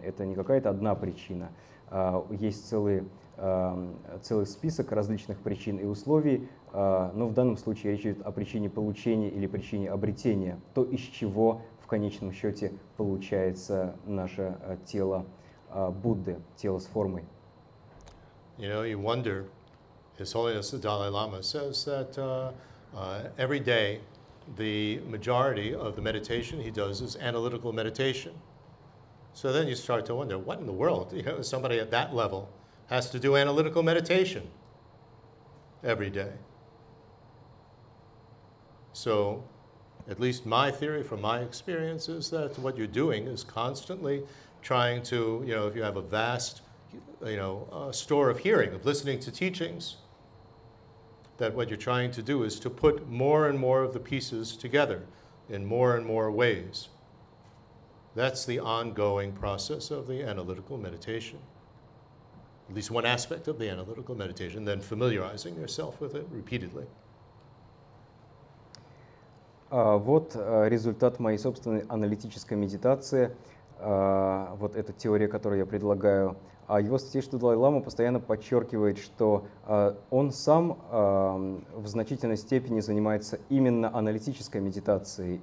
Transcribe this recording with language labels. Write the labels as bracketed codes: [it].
[ru] Это не какая-то одна причина. Есть целый список различных причин и условий, но в данном случае речь идет о причине получения или причине обретения. То, из чего в конечном счете получается наше тело Будды, тело с формой. [en] You know, you wonder, His Holiness the Dalai Lama says that every day the majority of the meditation he does is analytical meditation. So then you start to wonder, what in the world, you know, somebody at that level has to do analytical meditation every day? So at least my theory from my experience is that what you're doing is constantly trying to, you know, if you have a vast, you know, store of hearing, of listening to teachings, that what you're trying to do is to put more and more of the pieces together in more and more ways. That's the ongoing process of the analytical meditation, at least one aspect of the analytical meditation, then familiarizing yourself with it repeatedly. [ru] Вот результат моей собственной аналитической медитации, вот эта теория, которую я предлагаю. А его святейший Далай-лама постоянно подчеркивает, что он сам в значительной степени занимается именно аналитической медитацией.